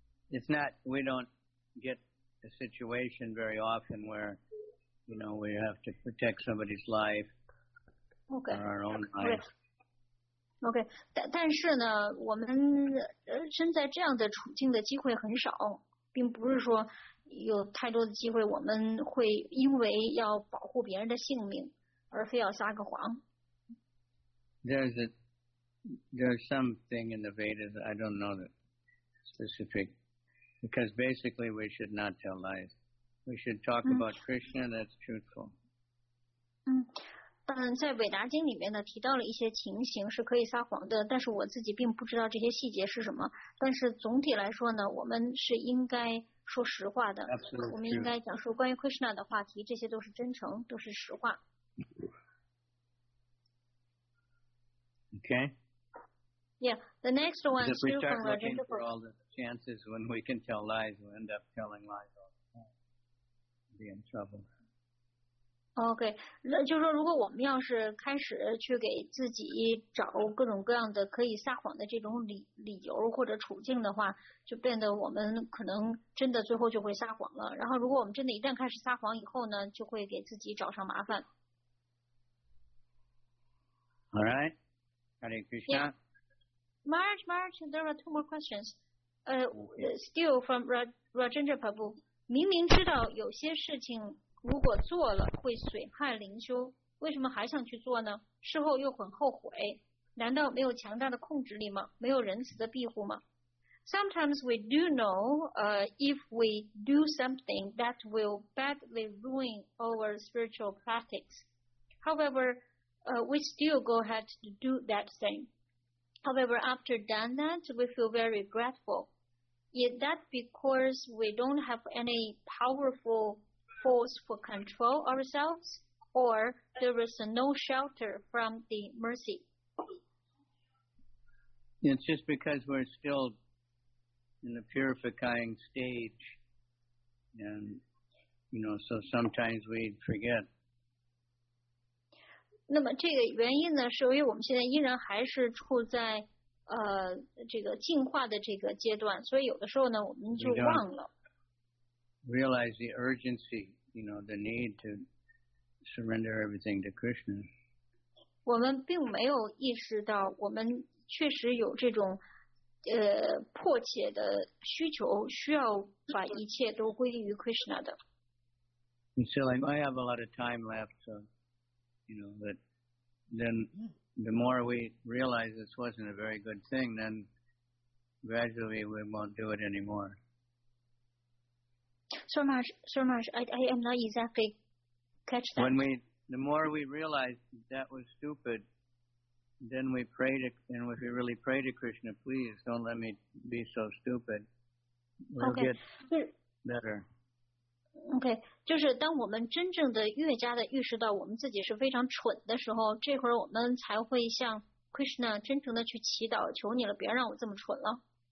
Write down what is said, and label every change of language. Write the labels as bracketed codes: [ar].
[en] It's not, we don't get a situation very often where, you know, we have to protect somebody's life or our own life. Okay. [zh] 但是呢，我们身在这样的处境的机会很少，并不是说有太多的机会我们会因为要保护别人的性命而非要撒个谎。 [en] There's something in the Vedas, I don't know the specific... Because basically we should not tell lies. We should talk about Krishna, that's truthful. [zh] 在韦达经里面呢提到了一些情形是可以撒谎的，但是我自己并不知道这些细节是什么。但是总体来说呢，我们是应该说实话的。 [en] Absolutely. [zh] 我们应该讲述关于 Krishna 的话题，这些都是真诚，都是实话。 [en] Okay. Yeah, the next one is still from Rajendra. If we start looking for all the chances when we can tell lies, we end up telling lies all the time. We'll be in trouble. [zh] Okay, 那就是说如果我们要是开始去给自己找各种各样的可以撒谎的这种理由或者处境的话，就变得我们可能真的最后就会撒谎了。然后如果我们真的一旦开始撒谎以后呢，就会给自己找上麻烦。 [en] All right, Hare Krishna. Yeah. March, there are two more questions. Still from Rajendra Prabhu. [zh] 明明知道有些事情如果做了会损害灵修，为什么还想去做呢？事后又很后悔，难道没有强大的控制力吗？没有仁慈的庇护吗？ [en] Sometimes we do know, if we do something that will badly ruin our spiritual practice. However, we still go ahead to do that thing. However, after done that, we feel very grateful. Is that because we don't have any powerful force for control ourselves, or there is no shelter from the mercy? It's just because we're still in the purifying stage, and you know, so sometimes we forget. [zh] 那么这个原因呢，是由于我们现在依然还是处在这个进化的这个阶段，所以有的时候呢，我们就忘了。 [en] Realize the urgency, you know, the need to surrender everything to Krishna. [zh] 我们并没有意识到我们确实有这种迫切的需求，需要把一切都归于 Krishna 的。 [en] And so, like, I have a lot of time left, so, you know, but then the more we realize this wasn't a very good thing, then gradually we won't do it anymore. So much, I am not exactly catch that. When we, the more we realize that was stupid, then we pray to, and if we really pray to Krishna, please don't let me be so stupid, we'll get better. [zh] OK, 就是当我们真正的越加的意识到我们自己是非常蠢的时候，这会儿我们才会向 Krishna 真正的去祈祷，求你了，别让我这么蠢了。